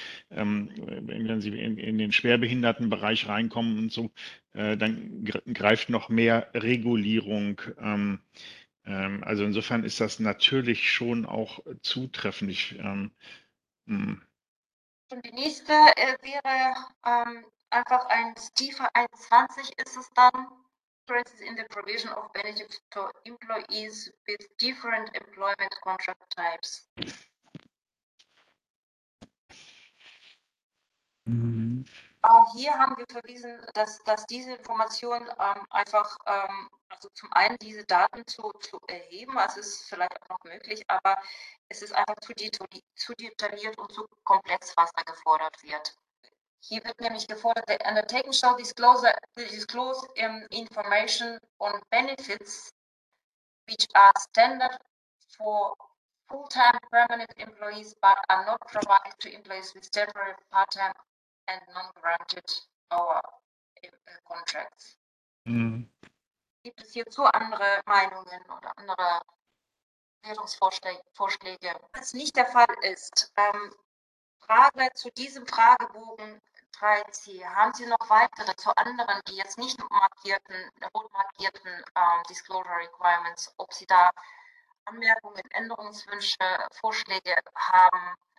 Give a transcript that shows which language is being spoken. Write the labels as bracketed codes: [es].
[de] Wenn Sie in den Schwerbehindertenbereich reinkommen und so, dann greift noch mehr Regulierung. Also insofern ist das natürlich schon auch zutreffend. Die nächste wäre einfach ein tiefer 21 ist es dann. [en] In the provision of benefits to employees with different employment contract types. [de] Auch hier haben wir verwiesen, dass diese Information einfach, also zum einen diese Daten zu erheben, also ist vielleicht auch noch möglich, aber es ist einfach zu detailliert und zu komplex, was da gefordert wird. Hier wird nämlich gefordert, [en] the undertaking shall disclose information on benefits, which are standard for full-time permanent employees, but are not provided to employees with temporary part-time and non-granted our contracts. [de] Gibt es hierzu andere Meinungen oder andere Bewertungsvorschläge? Was nicht der Fall ist, Frage zu diesem Fragebogen 3c. Haben Sie noch weitere zu anderen, die jetzt nicht markierten, rot markierten Disclosure Requirements, ob Sie da Anmerkungen, Änderungswünsche, Vorschläge haben?